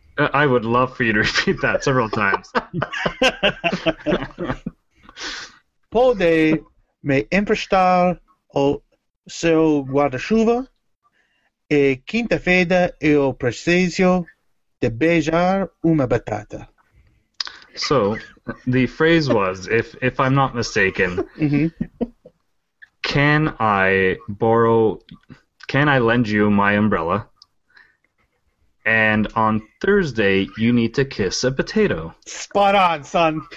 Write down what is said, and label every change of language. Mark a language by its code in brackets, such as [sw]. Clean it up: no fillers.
[en] I would love for you to repeat that several times. [pt] Pode me emprestar o seu guarda-chuva e quinta-feira eu preciso de beijar uma batata. [en] So, the phrase was, if I'm not mistaken, can I lend you my umbrella? And on Thursday, you need to kiss a potato. Spot on, son.